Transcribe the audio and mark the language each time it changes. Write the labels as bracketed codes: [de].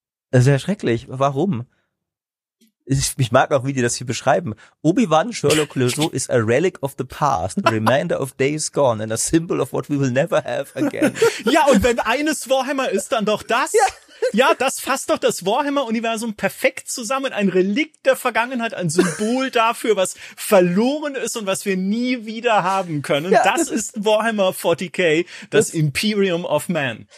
[de] Das ist ja schrecklich. Warum? Ich mag auch, wie die das hier beschreiben. [en] Obi-Wan Sherlock Clouseau is a relic of the past, a reminder of days gone and a symbol of what we will never have again. [de] Ja, und wenn eines Warhammer ist, dann doch das. Ja. Ja, das fasst doch das Warhammer-Universum perfekt zusammen. Ein Relikt der Vergangenheit, ein Symbol dafür, was verloren ist und was wir nie wieder haben können. Ja, das ist Warhammer 40k, das Imperium of Man.